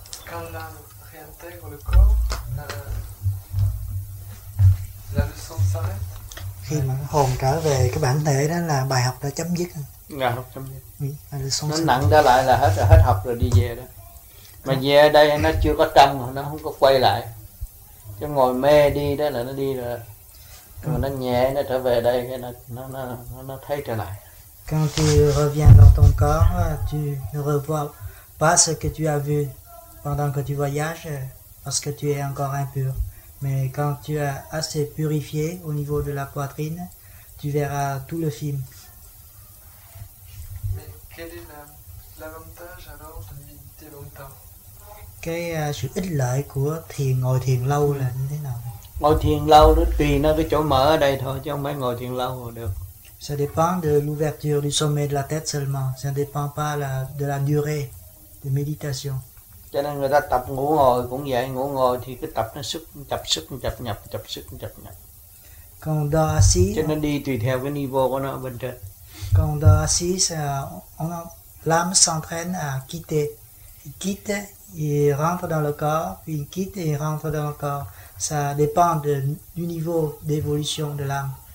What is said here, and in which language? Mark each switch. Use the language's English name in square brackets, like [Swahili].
[French] Quand l'âme réintègre le corps, la leçon s'arrête. [Vietnamese] Khi mà hồn trở về cái bản thể đó là bài học đã chấm dứt. Bài học chấm dứt. Ừ, là leçon nó nặng trở lại là hết học rồi đi về đó. Mà về ở đây nó chưa có tâm, nó không có quay lại. Chứ ngồi mê đi đó là nó đi rồi. Còn nó nhẹ nó trở về đây cái nó thấy trở lại. [French] Quand tu reviens dans ton corps, tu ne revois pas ce que tu as vu pendant que tu voyages, parce que tu es encore impur. Mais quand tu as assez purifié au niveau de la poitrine, tu verras tout le film. Mais quel est l'avantage alors de méditer longtemps? [Vietnamese] Cái sự ích lợi của thiền, ngồi thiền lâu là như thế nào? Ngồi thiền lâu đó tùy nó cái chỗ mở ở đây thôi, chứ không phải ngồi thiền lâu được. [French] Ça dépend de l'ouverture du sommet de la tête seulement. Ça ne dépend pas de la durée de méditation. [Vietnamese] Cho nên người ta tập ngủ ngồi cũng vậy, ngủ ngồi thì cứ tập nó sức, tập sức, tập nhập, tập sức, tập nhập. [French] Quand on dort assis, [Vietnamese] cho nên đi tùy theo cái niveau của nó bên trên. [French] Quand on dort assis, l'âme s'entraîne à quitter. Il quitte, il rentre dans le corps, puis il quitte et il rentre dans le corps. Ça dépend du niveau d'évolution de l'âme.